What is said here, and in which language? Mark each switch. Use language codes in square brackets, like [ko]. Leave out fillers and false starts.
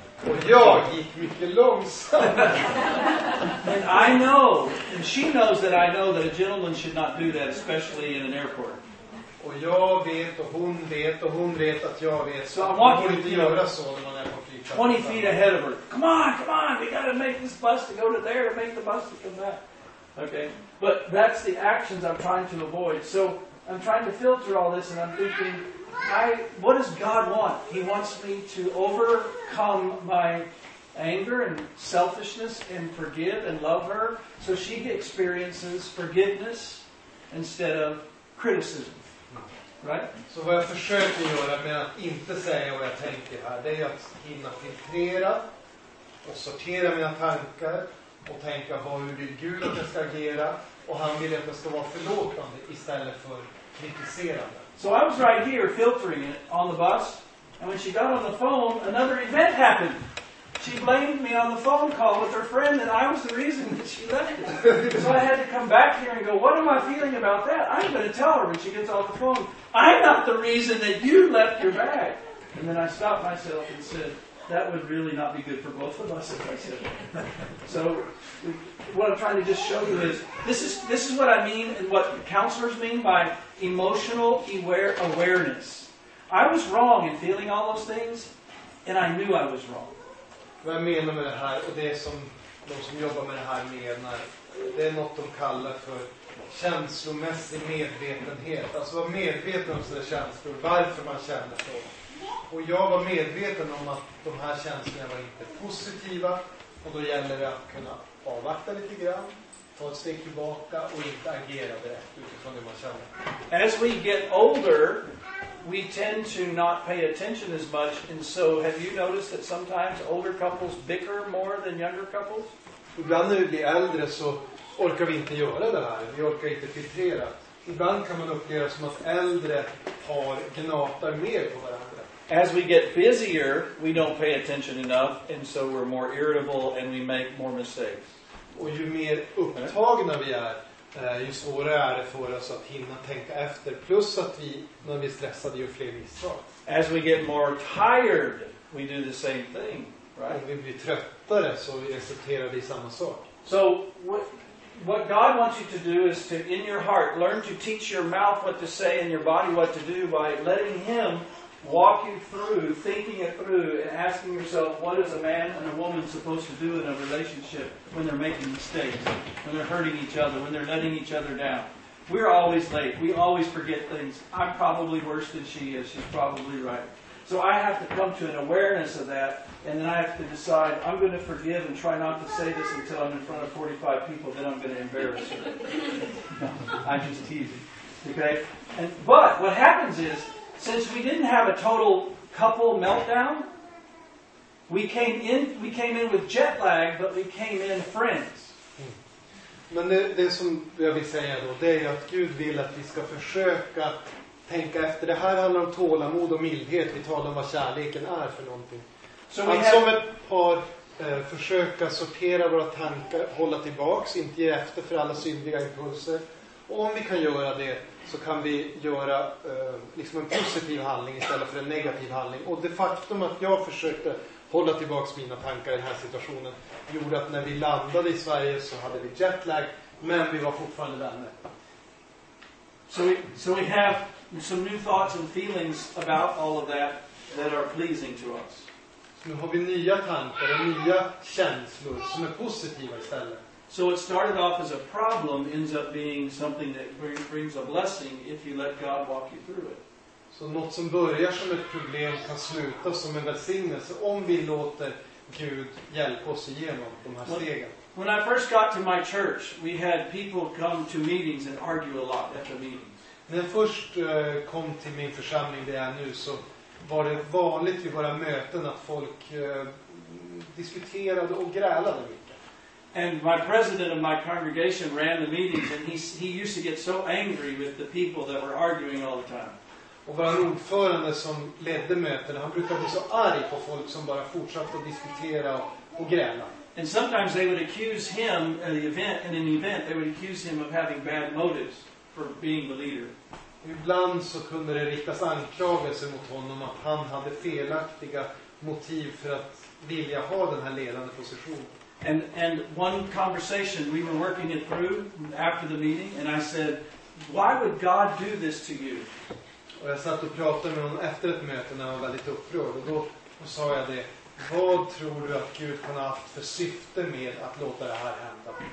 [sv] Och jag gick mycket långsamt. [en] And I know. And she knows that I know that a gentleman should not do that, especially in an airport. [sv] Och jag vet och hon vet och hon vet att jag vet så att man får inte göra så när man är på flygplatsen. [en] 20 feet ahead of her. Come on, we gotta make this bus to go to there and make the bus to come back. Okay, but that's the actions I'm trying to avoid. So I'm trying to filter all this and I'm thinking, what does God want? He wants me to overcome my anger and selfishness and forgive and love her so she experiences forgiveness instead of criticism. Right? [sv] Så vad jag försöker göra med att inte säga vad jag tänker här, det är att hinna filtrera och sortera mina tankar och tänka vad hur vill Gud att jag ska agera, och han vill att jag ska vara förlåtande istället för kritiserande. [en] So I was right here filtering it on the bus, and when she got on the phone, another event happened. She blamed me on the phone call with her friend that I was the reason that she left it. So I had to come back here and go, what am I feeling about that? I'm going to tell her when she gets off the phone. I'm not the reason that you left your bag. And then I stopped myself and said, that would really not be good for both of us if I said that. So what I'm trying to just show you is, this is what I mean and what counselors mean by emotional awareness. I was wrong in feeling all those things, and I knew I was wrong. [sv] Vad jag menar med det här, och det som de som jobbar med det här menar, det är något de kallar för känslomässig medvetenhet. Alltså vara medveten om sina känslor, varför man känner så. Och jag var medveten om att de här känslorna var inte positiva, och då gäller det att kunna avvakta lite grann, ta ett steg tillbaka och inte agera direkt utifrån det man känner. [en] As we get older, we tend to not pay attention as much, and so have you noticed that sometimes older couples bicker more than younger couples? [sv] Ibland när vi blir äldre så orkar vi inte göra det här. Vi orkar inte filtrera. Ibland kan man uppleva som att äldre par gnatar mer på varandra. [en] As we get busier, we don't pay attention enough, and so we're more irritable and we make more mistakes. [sv] Och ju mer upptagna vi är, ju svårare är det för oss att hinna tänka efter, plus att vi, när vi är stressade, gör fler misstag. [en] As we get more tired, we do the same thing, right? [sv] Om vi blir tröttare så accepterar vi samma sak. [en] So what God wants you to do is to, in your heart, learn to teach your mouth what to say and your body what to do by letting him walk you through, thinking it through and asking yourself, what is a man and a woman supposed to do in a relationship when they're making mistakes, when they're hurting each other, when they're letting each other down? We're always late. We always forget things. I'm probably worse than she is. She's probably right. So I have to come to an awareness of that, and then I have to decide, I'm going to forgive and try not to say this until I'm in front of 45 people, then I'm going to embarrass her. No, I'm just teasing. Okay? But what happens is, since we didn't have a total couple meltdown, we came in with jet lag, but we came in friends. [sv] Men det som jag vill säga då, det är att Gud vill att vi ska försöka tänka efter. Det här handlar om tålamod och mildhet. Vi talar om vad kärleken är för någonting. So att som ett par försöka sortera våra tankar, hålla tillbaks, inte ge efter för alla syndiga impulser. Och om vi kan göra det, så kan vi göra liksom en positiv handling istället för en negativ handling. Och det faktum att jag försökte hålla tillbaka mina tankar i den här situationen gjorde att när vi landade i Sverige så hade vi jetlag, men vi var fortfarande vänner. [en] So we have some new thoughts and feelings about all of that are pleasing to us. [sv] Så nu har vi nya tankar och nya känslor som är positiva istället. [en] So it started off as a problem, ends up being something that brings a blessing if you let God walk you through it. [sv] Så något som börjar som ett problem kan sluta som en välsignelse om vi låter Gud hjälpa oss igenom de här stegen. [en] When I first got to my church, we had people come to meetings and argue a lot at the meetings. [sv] När jag först kom till min församling där jag är nu, så var det vanligt i våra möten att folk diskuterade och grälade mycket. [en] And my president of my congregation ran the meetings, and he used to get so angry with the people that were arguing all the time. [sv] Och vår ordförande som ledde mötena, han brukade bli så arg på folk som bara fortsatte att diskutera och gräla. [en] And sometimes they would accuse him at the event, and in the event they would accuse him of having bad motives for being the leader. [sv] Ibland så kunde det riktas anklagelser mot honom att han hade felaktiga motiv för att vilja ha den här ledande positionen. [en] And one conversation we were working it through after the meeting, and I said, why would God do this to you? [sv] Och jag satt och pratade med honom efter ett möte när han var väldigt upprörd, och då sa jag det: vad tror du att Gud kan ha haft för syfte med att låta det här hända?